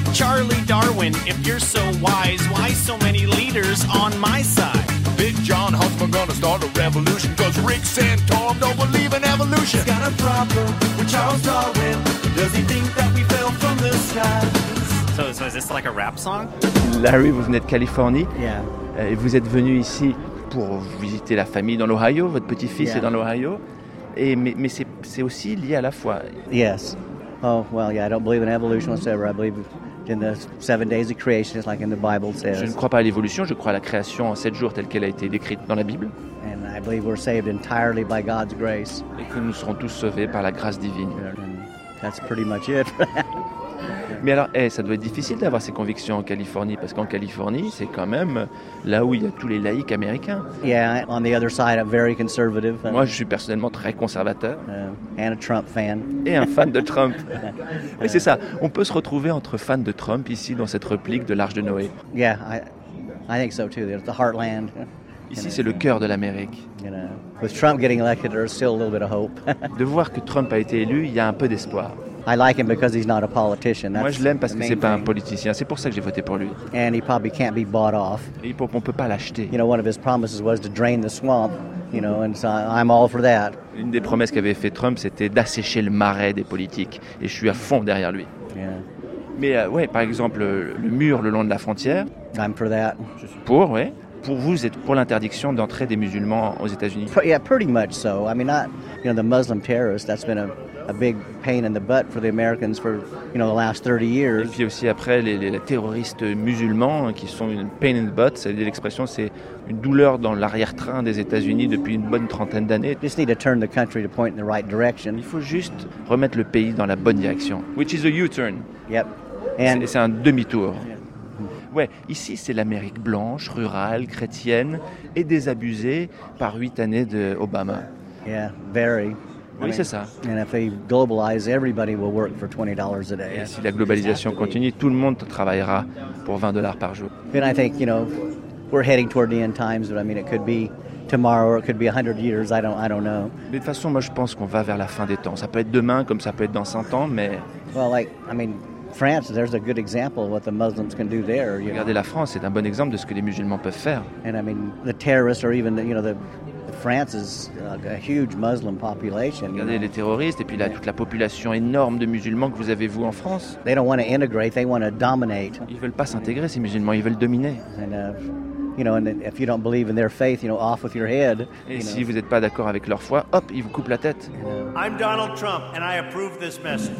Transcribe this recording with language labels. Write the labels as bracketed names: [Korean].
[English] Charlie Darwin, if you're so wise, why so many leaders on my side? Big John Huntsman gonna start a revolution, 'cause Rick Santorum don't believe in evolution. He's got a problem with Charles Darwin. Does he think that we fell from the skies? So is this like a rap song? [French] Larry, vous venez de Californie. [English] Yeah. [French] Et vous êtes venu ici pour visiter la famille dans l'Ohio. Votre petit-fils est dans l'Ohio. Et mais c'est aussi lié à la foi. [English] Yes. Oh well, yeah. I don't believe in evolution whatsoever. I believe in the 7 days of creation, just like in the Bible says. [French] Je ne crois pas à l'évolution. Je crois à la création en 7 jours, telle qu'elle a été décrite dans la Bible. [English] And I believe we're saved entirely by God's grace. [French] Et que nous serons tous sauvés par la grâce divine. [English] And that's pretty much it. [French] Mais alors, ça doit être difficile d'avoir ces convictions en Californie, parce qu'en Californie, c'est quand même là où il y a tous les laïcs américains. [English] Yeah, on the other side, I'm very conservative. [French] Moi, je suis personnellement très conservateur. [English] And a Trump fan. [French] Et un fan de Trump. Oui, c'est ça. On peut se retrouver entre fans de Trump ici, dans cette réplique de l'Arche de Noé. [English] Yeah, I think so too. It's the heartland. [French] Ici, c'est le cœur de l'Amérique. [English] With Trump getting elected, there's still a little bit of hope. [French] De voir que Trump a été élu, il y a un peu d'espoir. [English] I like him because he's not a politician. [French] Moi, je l'aime parce que c'est pas un politicien. C'est pour ça que j'ai voté pour lui. [English] And he probably can't be bought off. [French] On peut pas l'acheter. [English] You know, one of his promises was to drain the swamp. You know, and so I'm all for that. [French] Une des promesses qu'avait fait Trump, c'était d'assécher le marais des politiques, et je suis à fond derrière lui. [English] Yeah. [French] Mais ouais, par exemple, le mur le long de la frontière. [English] I'm for that. [French] Pour, ouais. pour vous, vous êtes pour l'interdiction d'entrée des musulmans aux États-Unis. [English] Yeah, pretty much so. I mean, not, you know, the Muslim terrorists, that's been a big pain in the butt for the Americans for, you know, the last 30 years. [French] Et puis aussi après, les terroristes musulmans qui sont une pain in the butt, c'est l'expression, c'est une douleur dans l'arrière-train des États-Unis depuis une bonne trentaine d'années. [English] Just need to turn the country to point in the right direction. [French] Il faut juste remettre le pays dans la bonne direction. [English] Which is a U-turn. Yep. [French] And c'est un demi-tour. Yeah. Ouais, ici c'est l'Amérique blanche, rurale, chrétienne et désabusée par 8 années d'Obama. [English] Yeah, very. [French] Oui, c'est ça. [English] And if they globalize, everybody will work for $20 a day. [French] Et si la globalisation continue, tout le monde travaillera pour $20 par jour. [English] And I think, you know, we're heading toward the end times, but I mean, it could be tomorrow or it could be 100 years, I don't know. [French] Mais de toute façon, moi je pense qu'on va vers la fin des temps. Ça peut être demain comme ça peut être dans 100 ans, mais [English] well, like, I mean, France, there's a good example of what the Muslims can do there, you know. [French] Regardez la France, c'est un bon exemple de ce que les musulmans peuvent faire. [English] And I mean, the terrorists are even, you know, France is a huge Muslim population. [French] Regardez, you know, les terroristes et puis là, toute la population énorme de musulmans que vous avez vous en France. [English] They don't want to integrate, they want to dominate. [French] Ils veulent pas s'intégrer ces musulmans, ils veulent dominer. [English] And, you know, and if you don't believe in their faith, you know, off with your head. [French] Et si vous êtes pas d'accord avec leur foi, hop, ils vous coupent la tête. [English] I'm Donald Trump and I approve this message.